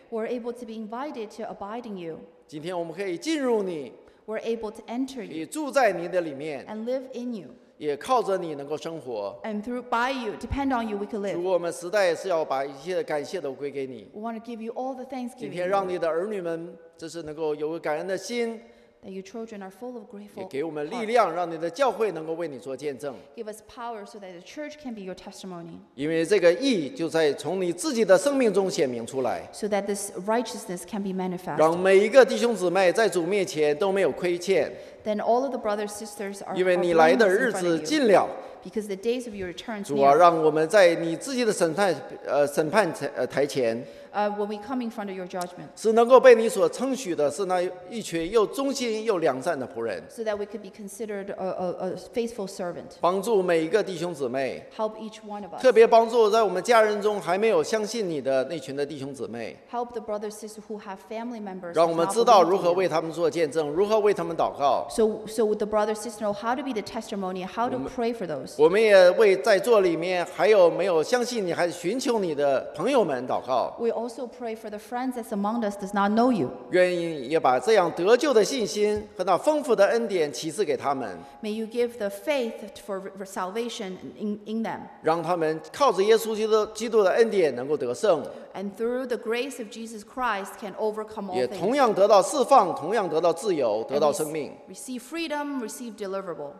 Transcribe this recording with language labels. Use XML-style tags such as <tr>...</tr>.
<en>We're able to be invited to abide in you.</en> <zh>今天我们可以进入你。</zh> <en>We're able to enter you.</en> <zh>你住在你的里面。</zh> <en>And live in you.</en> <zh>也靠着你能够生活。</zh> <en>And through by you, depend on you, we can live.</en> <zh>主，我们实在是要把一切的感谢都归给你。</zh> <en>We want to give you all the thanksgiving.</en> <zh>今天让你的儿女们，这是能够有个感恩的心。</zh> <en>That your children are full of grateful hearts.</en> <zh>也给我们力量，让你的教会能够为你做见证。</zh> <en>Give us power so that the church can be your testimony.</en> <zh>因为这个义就在从你自己的生命中显明出来。</zh> <en>So that this righteousness can be manifested.</en> <zh>让每一个弟兄姊妹在主面前都没有亏欠。</zh> <en>Then all of the brothers and sisters are.</en> <zh>因为你来的日子近了。</zh> <en>Because the days of your return is near.</en> <zh>主啊，让我们在你自己的审判台前。</zh> <en>When we come in front of your judgment.</en> <zh>是能够被你所称许的，是那一群又忠心又良善的仆人。</zh> <en>So that we could be considered a faithful servant.</en> <zh>帮助每一个弟兄姊妹。</zh> <en>Help each one of us.</en> <zh>特别帮助在我们家人中还没有相信你的那群的弟兄姊妹。</zh> <en>Help the brothers and sisters who have family members.</en> <zh>让我们知道如何为他们做见证，如何为他们祷告。</zh> <en>So the brothers and sisters know how to be the testimony, how to pray for those.</en> <zh>我们也为在座里面还有没有相信你还是寻求你的朋友们祷告。</zh> <en>We also pray for the friends that among us does not know you.</en> <zh>愿意也把这样得救的信心和那丰富的恩典启示给他们。</zh> <en>May you give the faith for salvation in them.</en> <zh>让他们靠着耶稣基督的恩典能够得胜。</zh> <en>And through the grace of Jesus Christ can overcome all things.</en> <zh>也同样得到释放，同样得到自由，得到生命。</zh> <en>Receive freedom, receive deliverable.</en>